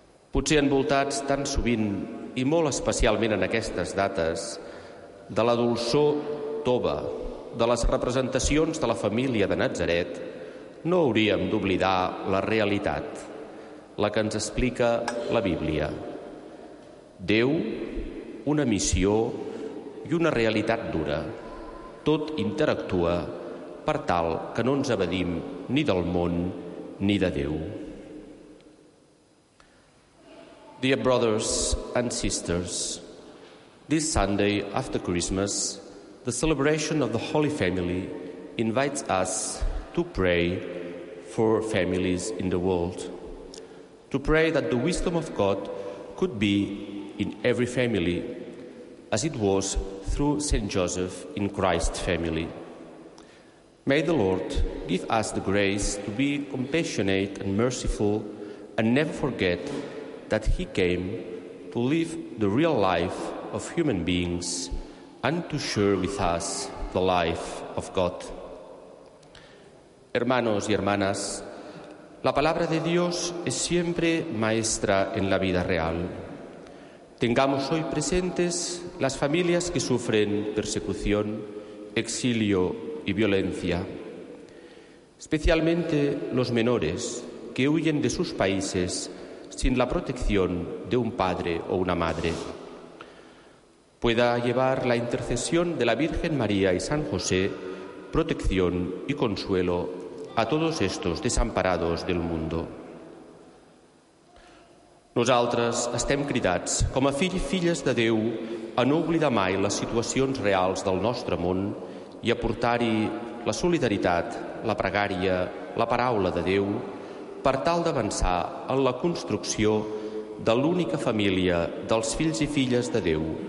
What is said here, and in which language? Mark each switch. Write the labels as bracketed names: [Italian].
[Catalan] Potser envoltats tan sovint, i molt especialment en aquestes dates, de la dolçor tova, de les representacions de la família de Natzaret, no hauríem d'oblidar la realitat, la que ens explica la Bíblia. Déu, una missió i una realitat dura. Tot interactua per tal que no ens evadim ni del món ni de Déu. [English] Dear brothers and sisters, this Sunday after Christmas, the celebration of the Holy Family invites us to pray for families in the world, to pray that the wisdom of God could be in every family, as it was through Saint Joseph in Christ's family. May the Lord give us the grace to be compassionate and merciful and never forget that He came to live the real life of human beings and to share with us the life of God. [Spanish] Hermanos y hermanas, la palabra de Dios es siempre maestra en la vida real. Tengamos hoy presentes las familias que sufren persecución, exilio y violencia, especialmente los menores que huyen de sus países sin la protección de un padre o una madre. Pueda llevar la intercesión de la Virgen María y San José protección y consuelo a todos estos desamparados del mundo. [Catalan] Nosaltres estem cridats, com a fills i filles de Déu, a no oblidar mai les situacions reals del nostre món i a portar-hi la solidaritat, la pregària, la paraula de Déu, per tal d'avançar en la construcció de l'única família dels fills i filles de Déu,